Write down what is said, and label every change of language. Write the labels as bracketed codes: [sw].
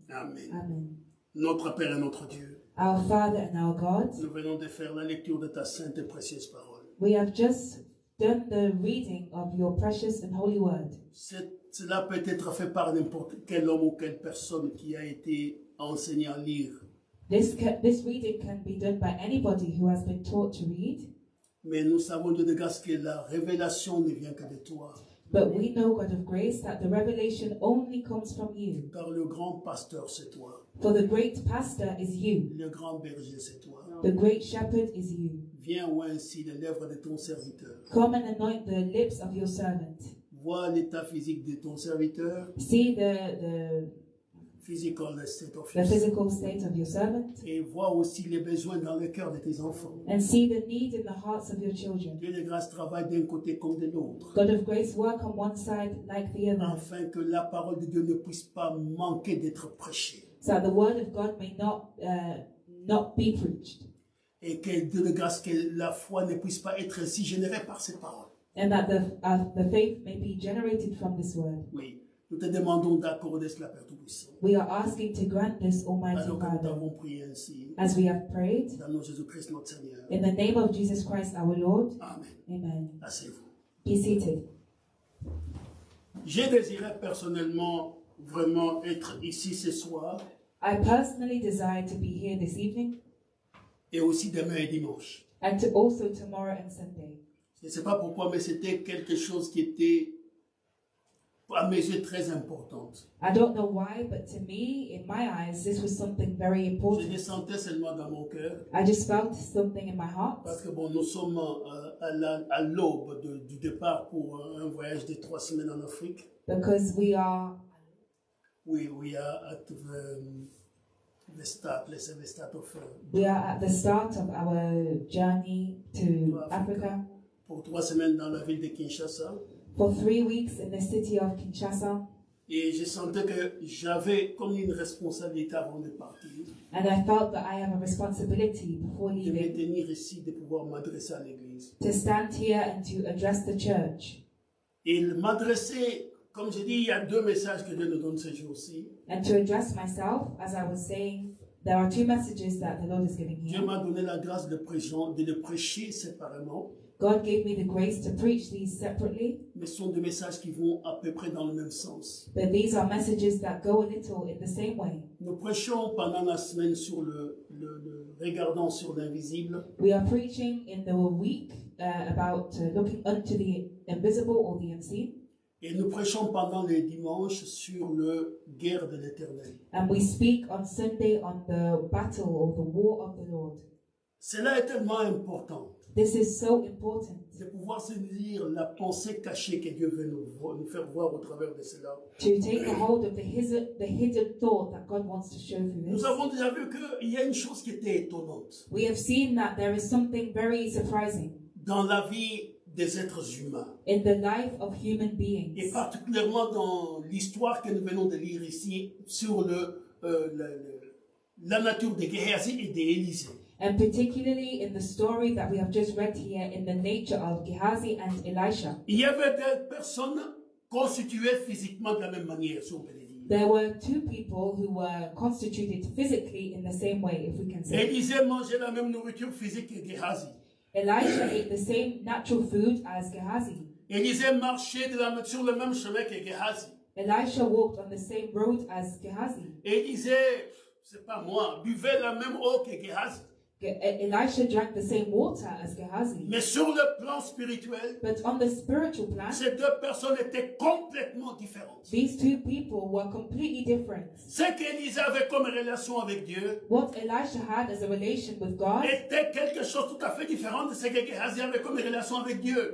[fr] Amen. Amen. Notre Père et notre Dieu. [en] Our Father and our God. [fr] Nous venons de faire la lecture de ta sainte et précieuse parole. [en] We have just done the reading of your precious and holy word. [fr] Cela peut être fait par n'importe quel homme ou quelle personne qui a été enseigné à lire [en] This reading can be done by anybody who has been taught to read. [fr] Mais nous savons Dieu de grâce que la révélation ne vient que de toi. [en] But we know, God of grace, that the revelation only comes from you. [fr] Par le grand pasteur, c'est toi. [en] For the great pastor is you. [fr] Le grand berger, c'est toi. [en] The great shepherd is you. [fr] Viens ouvrir ainsi les lèvres de ton serviteur. [en] Come and anoint the lips of your servant. [fr] Vois l'état physique de ton serviteur. [en] See the physical state of your servant. [fr] Et vois aussi les besoins dans le cœur de tes enfants. [en] And see the need in the hearts of your children. [fr] Dieu de grâce travaille d'un côté comme de l'autre. [en] God of grace, work on one side like the other. [fr] Afin que la parole de Dieu ne puisse pas manquer d'être prêchée. [en] So that the word of God may not not be preached. [fr] Et que Dieu de grâce que la foi ne puisse pas être ainsi générée par ces paroles. [en] And that the faith may be generated from this word. [fr] Oui. Nous te demandons d'accorder cela, Père Tout-Puissant. [en] We are asking to grant this, Almighty God. [fr] Alors que nous avons prié ainsi. [en] As we have prayed. [fr] Dans le nom de Jésus-Christ, notre Seigneur. [en] In the name of Jesus Christ, our Lord. Amen. Amen. [fr] Asseyez-vous. [en] Be seated. [fr] J'ai désiré personnellement vraiment être ici ce soir. [en] I personally desire to be here this evening. [fr] Et aussi demain et dimanche. [en] And to also tomorrow and Sunday. [fr] Je ne sais pas pourquoi, mais c'était quelque chose qui était à mes yeux très importante. [en] I don't know why, but to me, in my eyes, this was something very important. [fr] Je le sentais seulement dans mon cœur. [en] I just felt something in my heart. [fr] Parce que bon, nous sommes à l'aube du départ pour un voyage de 3 semaines en Afrique. [en] Because we are. Oui, we are at the start. Let's say the start of. We are at the start of our journey to Africa. [fr] Pour 3 semaines dans la ville de Kinshasa. [en] For 3 weeks in the city of Kinshasa. [fr] Et je sentais que j'avais comme une responsabilité avant de partir. [en] And I felt that I have a responsibility before leaving. [fr] De me tenir ici, de pouvoir m'adresser à l'église. [en] To stand here and to address the church. [fr] Et m'adresser, comme je dis, il y a deux messages que Dieu nous donne ce jour-ci. [en] And to address myself, as I was saying, there are 2 messages that the Lord is giving here. [fr] Dieu m'a donné la grâce de le prêcher séparément. [en] God gave me the grace to preach these separately. [fr] Mais sont des messages qui vont à peu près dans le même sens. [en] But these are messages that go a little in the same way. [fr] Nous prêchons pendant la semaine sur le regardant sur l'invisible. [en] We are preaching in the week about looking unto the invisible or the unseen. [fr] Et nous prêchons pendant les dimanches sur le guerre de l'Éternel. [en] And we speak on Sunday on the battle or the war of the Lord. [fr] Cela est tellement important. [en] This is so important. [fr] De pouvoir se dire la pensée cachée que Dieu veut nous faire voir au travers de cela. [en] To take hold of the hidden thought that God wants to show through this. [fr] Nous avons déjà vu qu'il y a une chose qui était étonnante. [en] We have seen that there is something very surprising. [fr] Dans la vie des êtres humains. [en] In the life of human beings. [fr] Et particulièrement dans l'histoire que nous venons de lire ici sur la nature des Gehazi et des Élisée. [en] And particularly in the story that we have just read here in the nature of Gehazi and Elisha. [fr] Il y avait des personnes constituées physiquement de la même manière, si on peut dire. [en] There were 2 people who were constituted physically in the same way, if we can say. [fr] Élisée mangeait la même nourriture physique que Gehazi. [en] Elisha ate the same natural food as Gehazi. [fr] Élisée marchait sur le même chemin que Gehazi. [en] Elisha walked on the same road as Gehazi. [fr] Élisée, c'est pas moi, buvait la même eau que Gehazi. [en] Elisha drank the same water as Gehazi. [fr] Mais sur le plan spirituel, [en] but on the spiritual plan, [fr] ces deux personnes étaient complètement différentes. [en] These 2 people were completely different. [fr] Ce qu'Élisée avait comme relation avec Dieu, [en] what Elisha had as a relation with God, [fr] était quelque chose tout à fait différent de ce que Gehazi avait comme relation avec Dieu.